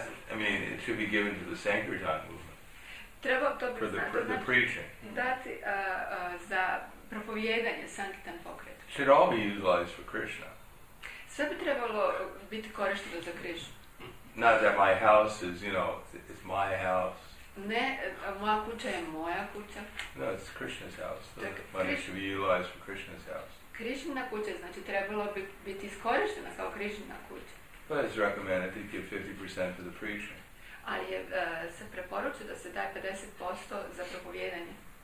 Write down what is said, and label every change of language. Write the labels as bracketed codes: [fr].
[en] I mean, it should be given to the Sankirtan movement. [hr] Treba to [en] for the preaching. [hr] Dati za propovijedanje Sankirtan pokret. [en] Should all be utilized for Krishna. [hr] Sve bi trebalo biti korišteno za Krishna. [en] Not that my house is, you know, it's my house. [hr] Ne, moja kuća je moja kuća. [en] No, it's Krishna's house. Money should be utilized for Krishna's house. [hr] Krishna kuća, znači trebalo bi biti iskorištena kao Krishna kuća. [en] But it's recommended to give 50% for the preaching. [hr] Ali je se preporučio da se daje 50% za propovjedanje.